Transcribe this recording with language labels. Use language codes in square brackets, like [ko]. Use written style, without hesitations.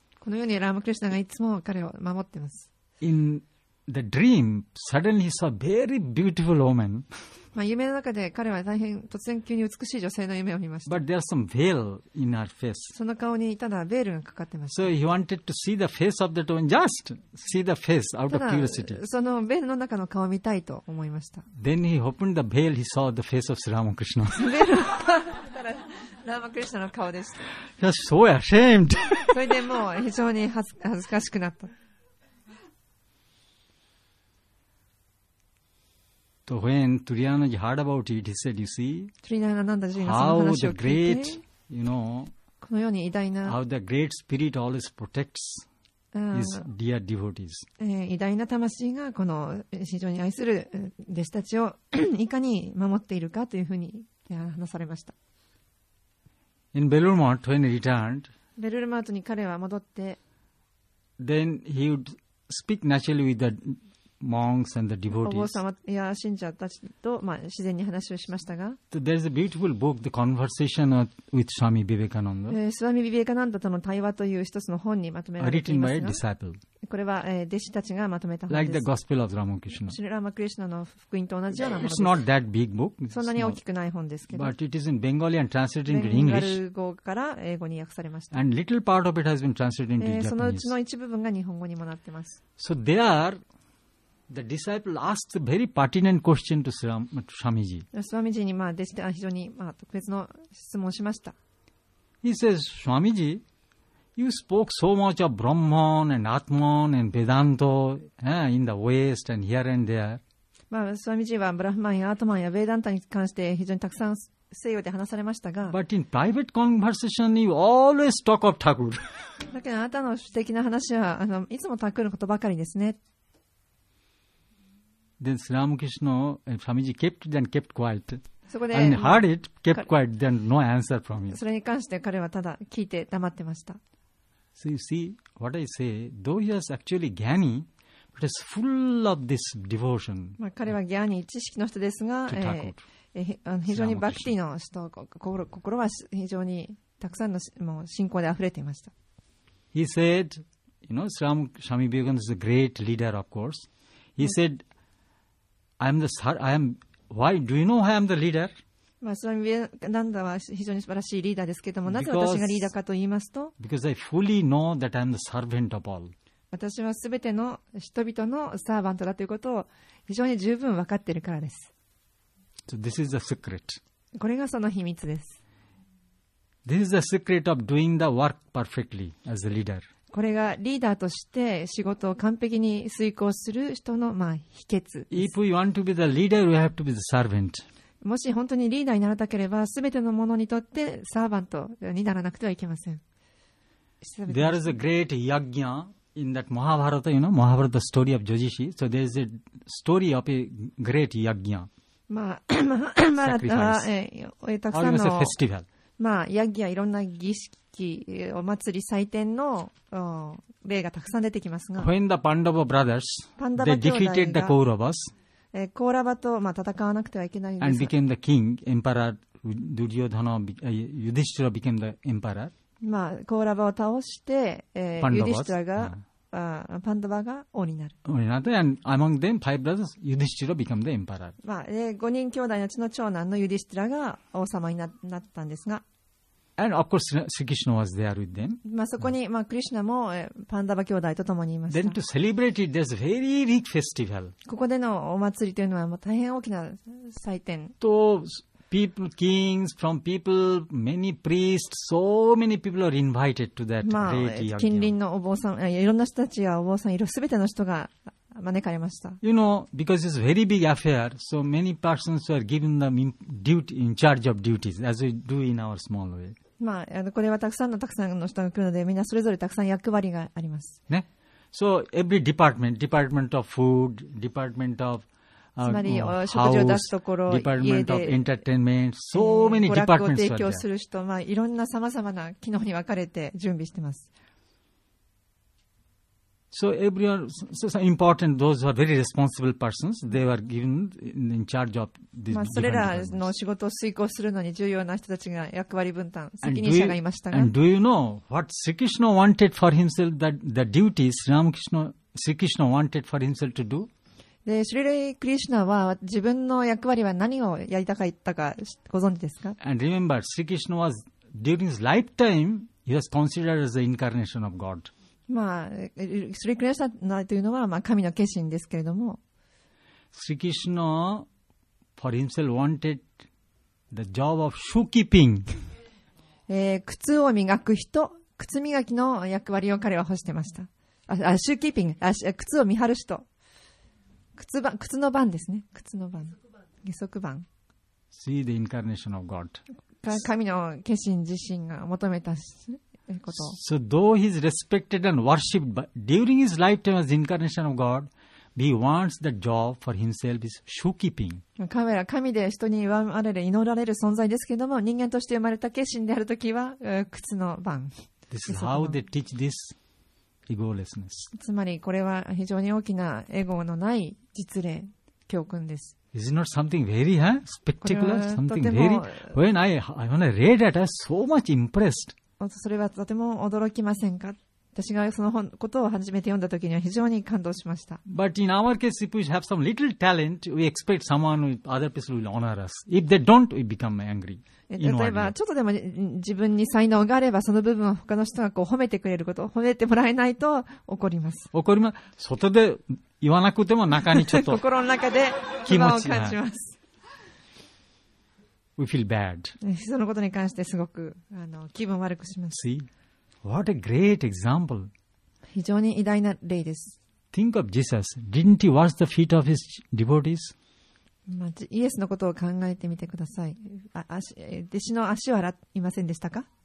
[ja] このようにラーマクリシナがいつも彼を守ってます。 [en] In the dream, suddenly he saw a very beautiful woman. [ja] まあ夢の中で彼は大変突然急に美しい女性の夢を見ました。 [en] But there was some veil in her face. [ja] その顔にただベールがかかってました。 [en] So he wanted to see the face of that woman, just see the face out of curiosity. [ja] ただそのベールの中の顔を見たいと思いました。 [en] Then he opened the veil, he saw the face of Sri Ramakrishna. [ja] ベールを開いたらラーマクリシナの顔でした。 [en] He was so ashamed. [ja] それでもう非常に恥ずかしくなった。 [en] So when Turiyanaji heard about it, he said, "You see, how the great, you know, how the great spirit always protects his dear devotees." [ja] 偉大な魂がこの非常に愛する弟子たちをいかに守っているかというふうに話されました。 [en] In Belurmat, when he returned, [ja] Belurmat に彼は戻って、 [en] then he would speak naturally with the monks and the devotees. [ja] お坊様や信者たちと、まあ、自然に話をしましたが、 [en] so、there is a beautiful book, The Conversation with Swami Vivekananda. [ja] Swami Vivekananda との対話という一つの本にまとめられていますが、 [en] written by a disciple. [ja] これは、弟子たちがまとめた本です。 [en] Like the Gospel of Ramakrishna. [ja] シュリ・ラーマクリシナの福音と同じようなものです。 [en] It's not that big book. [ja] そんなに大きくない本ですけど。 [en] But it is in Bengali and translated into English. [ja] ベンガル語から英語に訳されました。 [en] And little part of it has been translated into Japanese. [ja] そのうちの一部分が日本語にもなってます。 [en] So they are. The disciple asked a very pertinent question to Swamiji. [ja] Swamiji にまあ弟子は非常にまあ特別の質問をしました。 [en] He says, Swamiji, you spoke so much of Brahman and Atman and Vedanta in the West and here and there. [ja] まあ Swamiji はブラフマンやアトマンやベダンタに関して非常にたくさん西洋で話されましたが、 [en] But in private conversation, you always talk of Thakur. [ja] だけどあなたの私的な話はあのいつもタクルのことばかりですね。 [en] Then Sri Ramakrishna and Swamiji kept quiet. And heard it, kept quiet, then no answer from him. [ja] それに関して彼はただ聞いて黙ってました。 [en] So you see, what I say, though he was actually Gyani, but he's full of this devotion. [ja] まあ彼はギャニー、知識の人ですが、非常にバクティの人、心は非常にたくさんのもう信仰であふれていました。 [en] He said, you know, Sri Ramakrishna is a great leader, of course. He said,why do you know why I'm the leader? [ja] まあ、スワミ・ビベカナンダは非常に素晴らしいリーダーですけれども、なぜ私がリーダーかと言いますと、 [en] because I fully know that I'm the servant of all. [ja] 私はすべての人々のサーバントだということを非常に十分分かっているからです。 [en] So this is the secret. [ja] これがその秘密です。 [en] This is the secret of doing the work perfectly as a leader. [ja] これがリーダーとして仕事を完璧に遂行する人のまあ秘訣です。 [en] If we want to be the leader, we have to be the servant. [ja] もし本当にリーダーにならなければ、すべてのものにとってサーバントにならなくてはいけません。 [en] There is a great yajna in that Mahabharata, you know, Mahabharata story of Jojishi. So there is a story of a great yajna. [ja] まあ、まあ、まあ、たくさんの。 [en] Or it was a festival. [ja] まあ、ヤギやいろんな儀式お祭り祭典の例がたくさん出てきますが、 [en] When the Pandava brothers, [ja] パンダバ兄弟が、 [en] they defeated the Kauravas, [ja] コーラバと、まあ、戦わなくてはいけないんです。 [en] And became the king, emperor, Duryodhana, Yudhishthira became the emperor. [ja] まあ、コーラバを倒して、ユディシュトラが、パンダバが王になる。王になって、 [en] and among them, five brothers, Yudhishthira became the emperor. [ja] まあ、5人兄弟のうちの長男のユディシュトラが王様になったんですが、 [en] And of course, Sri Krishna was there with them. [ja] まあそこに、まあ、クリシュナもパンダバ兄弟と共にいました。 [en] Then to celebrate it, there's a very big festival. [ja] ここでのお祭りというのは、まあ、大変大きな祭典。 [en] To people, kings, from people, many priests, so many people are invited to that great yagya. [ja] 近隣のお坊さん、いろんな人たちやお坊さん、いろすべての人が招かれました。 [en] You know, because it's a very big affair, so many persons were given the duty in charge of duties as we do in our small way. [ja] まあ、これはたくさんの人が来るので、みんなそれぞれたくさん役割があります。 [en] ね。So every department, department of food, department of house, department of entertainment, so many departments were there. [ja] 娯楽を提供する人、まあ、いろんなさまざまな機能に分かれて準備してます。 [en] So everyone, so some important, those who are very responsible persons, they were given in charge of the [ja] まあそれらの仕事を遂行するのに重要な人たちが役割分担、責任者がいましたが。 [en] And do you know what Sri Krishna wanted for himself, the duties Ramakrishna, Sri Krishna wanted for himself to do? [ja] で、シュリリ・クリシュナは自分の役割は何をやりたかったかご存知ですか? [en] And remember, Sri Krishna was, during his lifetime, he was considered as the incarnation of God. [ja] まあ、スリクリシナというのは、まあ、神の化身ですけれども、 [en] スリクリシナ for himself wanted the job of shoekeeping [ja] 、靴を磨く人、靴磨きの役割を彼は欲してました。 shoekeeping、靴を見張る人、靴の番ですね、靴の番、義足番。 [en] See the incarnation of God. [ja] 神の化身自身が求めた。 [en] So though he is respected and worshipped, but during his lifetime as incarnation of God, he wants the job for himself is shoekeeping. [ja] 神は神で人に祈られる祈られる存在ですけれども、人間として生まれた化身であるときは靴の番。 [en] This is how they teach this egolessness. [ja] つまりこれは非常に大きなエゴのない実例教訓です。 [en] Is not something very spectacular? Something very when I read that, I was so much impressed. [ja] それはとても驚きませんか。私がそのことを初めて読んだときには非常に感動しました。 [en] But in our case, if we have some little talent, we expect someone with other people will honor us. If they don't, we become angry. [ja] 例えばちょっとでも自分に才能があればその部分を他の人がこう褒めてくれること、褒めてもらえないと怒ります。怒ります。外で言わなくても中にちょっと心の中で気持ちを感じます。 [en] We feel bad. [ja] そのことに関してすごく気分悪くします。 [en] See? What a great example. [ja] 非常に偉大な例です。 [en] Think of Jesus. Didn't he wash the feet of his devotees? [ja] まあ、イエスのことを考えてみてください。弟子の足を洗いませんでしたか?